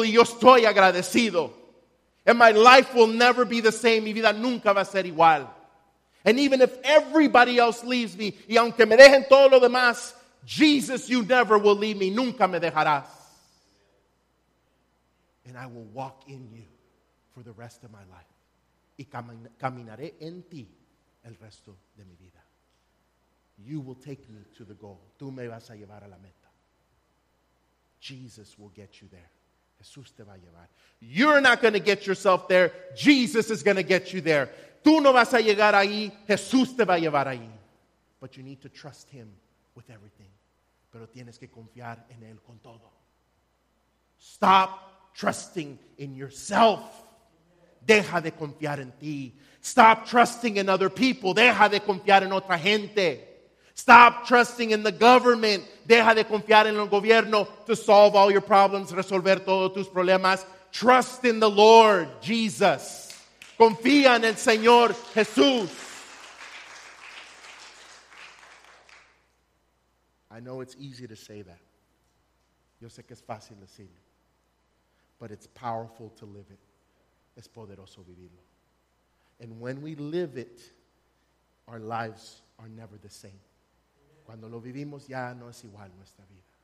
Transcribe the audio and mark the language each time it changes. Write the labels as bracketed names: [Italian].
[Spanish] Y yo estoy agradecido. [English] And my life will never be the same. [Spanish] Mi vida nunca va a ser igual. [English] And even if everybody else leaves me, [Spanish] y aunque me dejen todo lo demás, [English] Jesus, you never will leave me. [Spanish] Nunca me dejarás. [English] And I will walk in you for the rest of my life. [Spanish] Y caminaré en ti el resto de mi vida. [English] You will take me to the goal. [Spanish] Tú me vas a llevar a la meta. [English] Jesus will get you there. [Spanish] Jesús te va a llevar. [English] You're not going to get yourself there. Jesus is going to get you there. [Spanish] Tú no vas a llegar ahí. Jesús te va a llevar ahí. [English] But you need to trust him with everything. [Spanish] Pero tienes que confiar en él con todo. [English] Stop trusting in yourself. [Spanish] Deja de confiar en ti. [English] Stop trusting in other people. [Spanish] Deja de confiar en otra gente. [English] Stop trusting in the government. [Spanish] Deja de confiar en el gobierno [English] to solve all your problems, [Spanish] resolver todos tus problemas. [English] Trust in the Lord Jesus. [Spanish] Confía en el Señor Jesús. [English] I know it's easy to say that. [Spanish] Yo sé que es fácil decirlo. [English] But it's powerful to live it. [Spanish] Es poderoso vivirlo. [English] And when we live it, our lives are never the same. [Spanish] Cuando lo vivimos, ya no es igual nuestra vida.